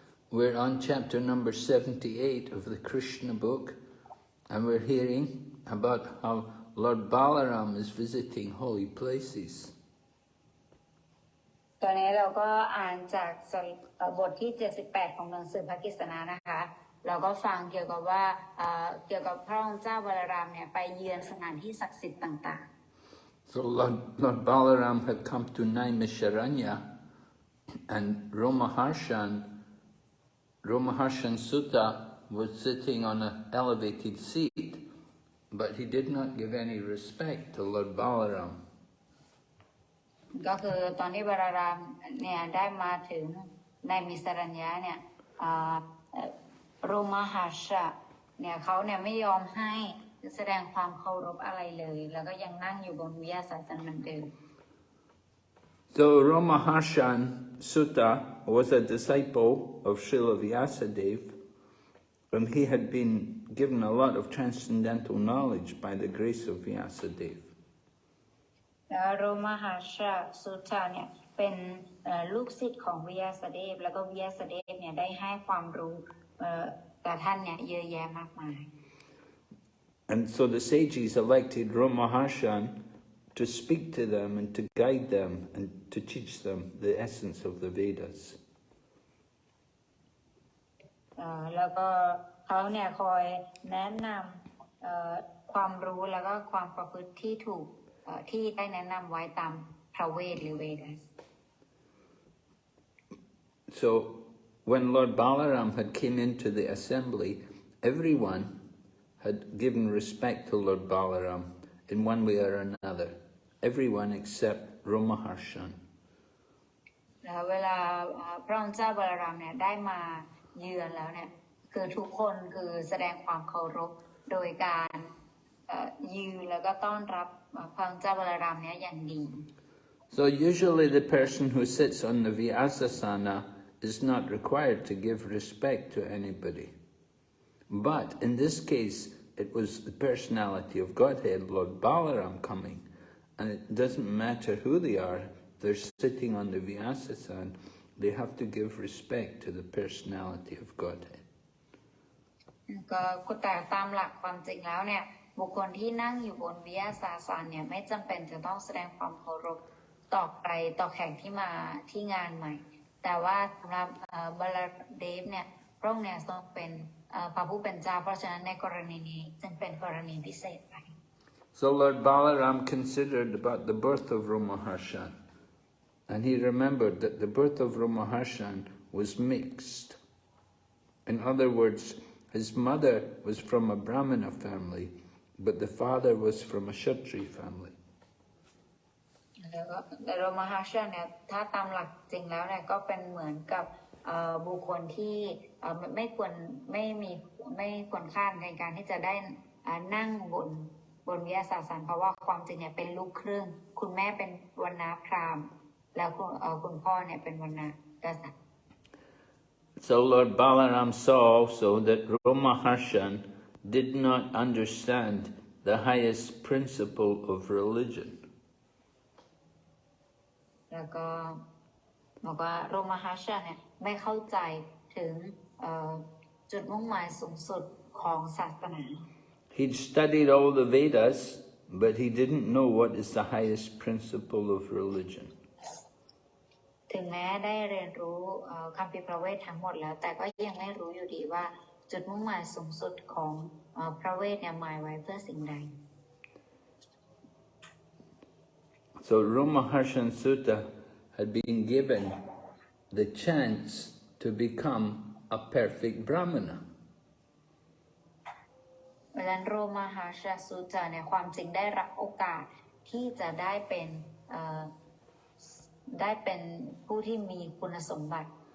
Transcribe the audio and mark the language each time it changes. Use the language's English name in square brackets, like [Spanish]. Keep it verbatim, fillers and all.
[English] We're on chapter number seventy-eight of the Krishna book, and we're hearing about how Lord Balaram is visiting holy places. [Thai] ตอนนี้เราก็อ่านจากบทที่เจ็ดสิบแปดของหนังสือพระกิสนะนะคะเราก็ฟังเกี่ยวกับว่าเอ่อเกี่ยวกับพระองค์เจ้าบาลารามเนี่ยไปเยือนสถานที่ศักดิ์สิทธิ์ต่าง [English] ๆ So Lord, Lord Balaram had come to Naimisharanya and Romaharshan Romaharshan Sutta was sitting on an elevated seat. But he did not give any respect to Lord Balaram. [Thai] ก็คือตอนที่บาลารามเนี่ยได้มาถึงในมิสรัญญะเนี่ยเอ่อโรมหัสสะเนี่ยเค้าเนี่ยไม่ยอมให้แสดงความเคารพอะไรเลยแล้วก็ยังนั่งอยู่บนวิหารศาสนเหมือนเดิม [English] So Romaharshan Sutta was a disciple of Srila Vyasadeva and he had been given a lot of transcendental knowledge by the grace of Vyasadeva. [Thai] แล้วโรมหัสสะสุตตะเนี่ยเป็นเอ่อลูกศิษย์ของวิยาสเดฟแล้วก็วิยาสเดฟเนี่ยได้ให้ความรู้เอ่อกับท่านเนี่ยเยอะแยะมากมาย [English] And so the sages elected Romaharshan to speak to them and to guide them and to teach them the essence of the Vedas. [Thai] เอ่อแล้วก็เขาเนี่ยคอยแนะนำเอ่อความรู้แล้วก็ความประพฤติที่ถูกเอ่อที่ได้แนะนำไว้ตามพระเวทหรือเวดัส [English] So when Lord Balaram had came into the assembly, everyone had given respect to Lord Balaram in one way or another. Everyone except Romaharshan. [Thai] แล้วเวลาพระองค์เจ้าบาลารามเนี่ยได้มาเยือนแล้วเนี่ยคือทุกคนคือแสดงความเคารพโดยการเอ่อยืนแล้วก็ต้อนรับพระองค์เจ้าบาลารามเนี่ยอย่างดี [English] So usually the person who sits on the Vyasasana is not required to give respect to anybody. But in this case it was the personality of Godhead Lord Balaram coming, and it doesn't matter who they are, they're sitting on the Vyasasana. They have to give respect to the personality of Godhead. [Thai] ก็แต่ตามหลักความจริงแล้วเนี่ยบุคคลที่นั่งอยู่บนวิยาสาสนเนี่ยไม่จำเป็นจะต้องแสดงความเคารพต่อไปต่อแขกที่มาที่งานใหม่แต่ว่าสำหรับบาลเดฟเนี่ยพระองค์เนี่ยทรงเป็นพระผู้เป็นเจ้าเพราะฉะนั้นในกรณีนี้จึงเป็นกรณีพิเศษไป [English] So Lord Balaram considered about the birth of Romaharshan. And he remembered that the birth of Romaharshan was mixed. In other words, his mother was from a Brahmana family, but the father was from a Kshatriya family. [Thai] แล้วก็โรมหัสสะเนี่ยถ้าตามหลักจริงแล้วเนี่ยก็เป็นเหมือนกับเอ่อบุคคลที่เอ่อไม่ควรไม่มีไม่ควรค่าในการที่จะได้อ่านั่งบนบนวิยาสสนเพราะว่าความจริงเนี่ยเป็นลูกครึ่งคุณแม่เป็นวรรณพราหมณ์แล้วคุณพ่อเนี่ยเป็นวรรณกษัตริย์ [English] So Lord Balaram saw also that Romaharshan did not understand the highest principle of religion. [Thai] แล้วก็บอกว่าโรมหัสสะเนี่ยไม่เข้าใจถึงเอ่อจุดมุ่งหมายสูงสุดของศาสนา [English] He'd studied all the Vedas, but he didn't know what is the highest principle of religion. [Thai] ถึงแม้ได้เรียนรู้คัมภีร์พระเวททั้งหมดแล้วแต่ก็ยังไม่รู้อยู่ดีว่าจุดมุ่งหมายสูงสุดของพระเวทเนี่ยหมายไว้เพื่อสิ่งใด [English] So Romaharshan Sutta had been given the chance to become a perfect Brahmana. [Thai] เพราะฉะนั้นโรมหาชาสูตรเนี่ยความจริงได้รับโอกาสที่จะได้เป็นเอ่อได้เป็นผู้ที่มีคุณสมบัติ